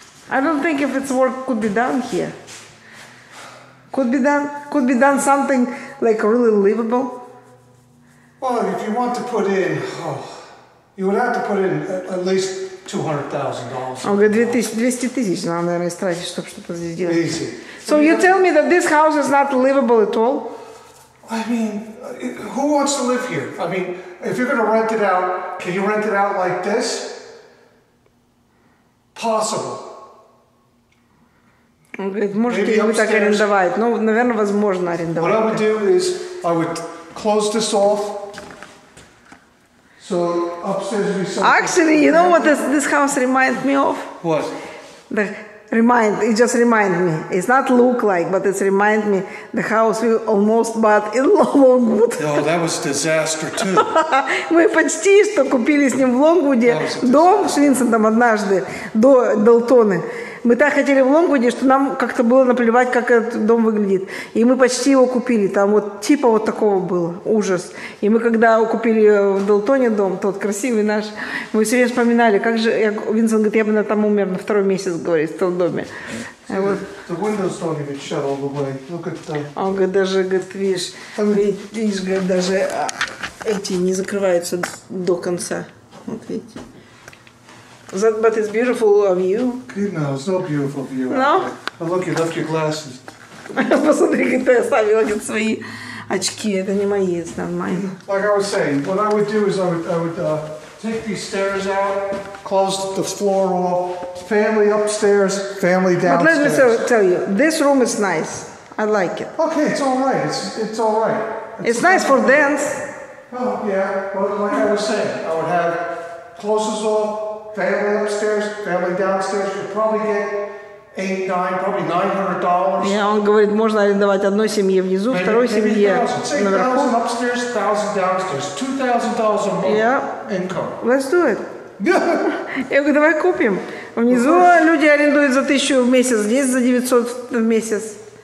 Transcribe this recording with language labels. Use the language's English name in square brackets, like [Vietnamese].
[English] I don't think if it's work could be done here. Could be done something like really livable. Well, if you want to put in, you would have to put in at least $200,000. [Russian] Он говорит, 200 тысяч нам, наверное, истратить, чтобы что-то здесь делать. [English] Easy. So you tell me that this house is not livable at all? I mean, who wants to live here? I mean, if you're going to rent it out, can you rent it out like this? Possible. [Russian] Он говорит, можете ли вы так арендовать? Ну, наверное, возможно арендовать. [English] What I would do is, I would close this off. So upstairs we saw. Actually, you know what this house reminds me of? What? It just reminds me. It's not look like, but it's remind me the house we almost bought in Longwood. Oh, that was a disaster too. [Russian] Мы почти что купили с ним в Лонгвуде дом с Винсентом однажды до Далтоны. Мы так хотели в Лонгвуде, что нам как-то было наплевать, как этот дом выглядит. И мы почти его купили. Там вот типа вот такого было. Ужас. И мы когда купили в Далтоне дом, тот красивый наш, мы все время вспоминали, как же... Винсент говорит, я бы на там умер на второй месяц, говорит, в том доме. [English] See, [Russian] вот. [English] The windows don't even shut all the way. Look at them. [Russian] Он говорит, даже, говорит, видишь, говорит, даже эти не закрываются до конца. Вот видите. [English] But it's beautiful of you. No, it's not beautiful of you. No? But look, you left your glasses. [Russian] Посмотри, как ты оставил свои очки. Это не мои, [English] it's not mine. Like I was saying, what I would do is I would take these stairs out, close the floor off, family upstairs, family downstairs. But let me tell you, this room is nice. I like it. Okay, it's all right. It's all right. It's nice for dance. Oh, yeah. But like I was saying, I would have closes off, family upstairs, family downstairs. You'd probably get $800-$900. Yeah, [Russian] он говорит, можно арендовать одной семье внизу, [English] maybe, [Russian] второй семье наверху. [English] Maybe 1,000 upstairs, 1,000 downstairs. $2,000 a month income. Let's do it. Yeah. [Russian] Я говорю, давай купим. Внизу люди арендуют за 1,000 в месяц, здесь за 900 в месяц.